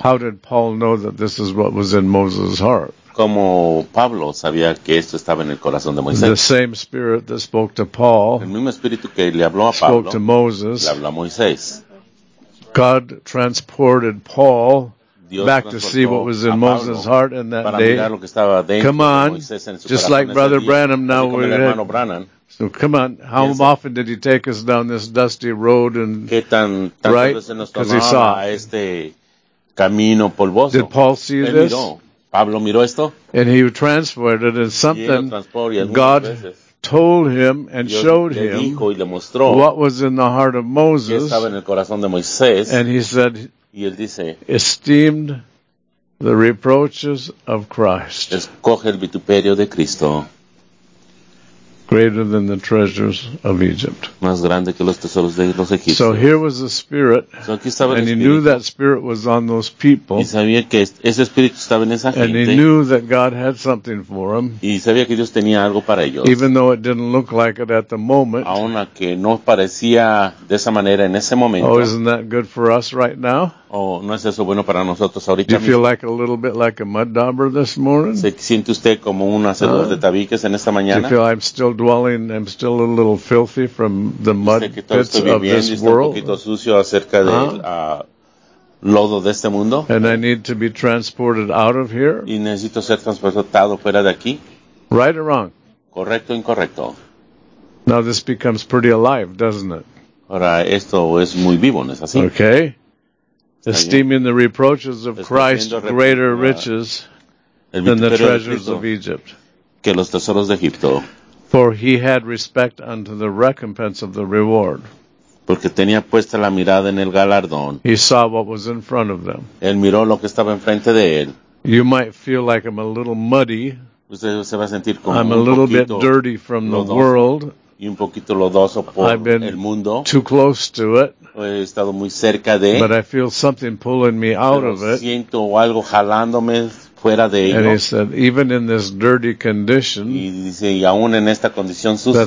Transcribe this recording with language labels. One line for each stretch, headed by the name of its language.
English: How did Paul know that this is what was in Moses' heart?
Spanish: ¿Cómo Pablo sabía que esto estaba en el corazón de Moisés?
English: The same spirit that spoke to Paul.
Spanish: El mismo espíritu que le habló a Pablo.
English: Spoke to Moses.
Spanish: Le habló a Moisés.
English: God transported Paul. Back to see what was in Moses' heart in that day. Come on, just like Brother Branham now. So come on, how often did he take us down this dusty road and right? Because he saw. Did Paul see this?
Spanish: Pablo miró esto.
English: And he transported it, and something God told him and showed him what was in the heart of Moses. And he said.
Spanish: Y él dice,
English: esteemed the reproaches of Christ.
Spanish: Escoge el vituperio de Cristo.
English: Greater than the treasures of Egypt.
Spanish: Más grande que los tesoros de los egipcios.
English: So here was the spirit.
Spanish: So aquí estaba el
English: and he knew that spirit was on those people.
Spanish: Y sabía que ese espíritu estaba en esa gente.
English: And he knew that God had something for them.
Spanish: Y sabía que Dios tenía algo para ellos.
English: Even though it didn't look like it at the moment.
Spanish: Aun a que no parecía de esa manera en ese momento.
English: Oh, isn't that good for us right now?
Spanish: Oh, ¿no es eso bueno para nosotros ahorita?
English: Do you feel like a little bit like a mud dauber this morning?
Spanish: ¿Se siente usted como un hacedor de tabiques en esta mañana?
English: Do you feel I'm still a little filthy from the mud pits of this world?
Spanish: Un poquito sucio acerca del lodo de este mundo.
English: And I need to be transported out of here?
Spanish: ¿Y necesito ser transportado fuera de aquí?
English: Right or wrong?
Spanish: ¿Correcto o incorrecto?
English: Now this becomes pretty alive, doesn't it?
Spanish: Ahora esto es muy vivo, ¿no es así?
English: Okay. Esteeming the reproaches of Christ greater riches than the treasures of Egypt.
Spanish: Que los tesoros de Egipto.
English: For he had respect unto the recompense of the reward.
Spanish: Porque tenía puesta la mirada en el galardón.
English: He saw what was in front of them.
Spanish: Él miró lo que estaba enfrente de él.
English: You might feel like I'm a little muddy.
Spanish: Usted se va a sentir como
English: I'm a little bit dirty from the world.
Spanish: Y un poquito lodoso por
English: I've been
Spanish: el mundo.
English: Too close to it.
Spanish: He estado muy cerca de.
English: But I feel something pulling me out of it.
Spanish: Siento algo jalándome fuera de ello.
English: And he said, even in this dirty condition,
Spanish: y dice, y aún en esta condición sucia,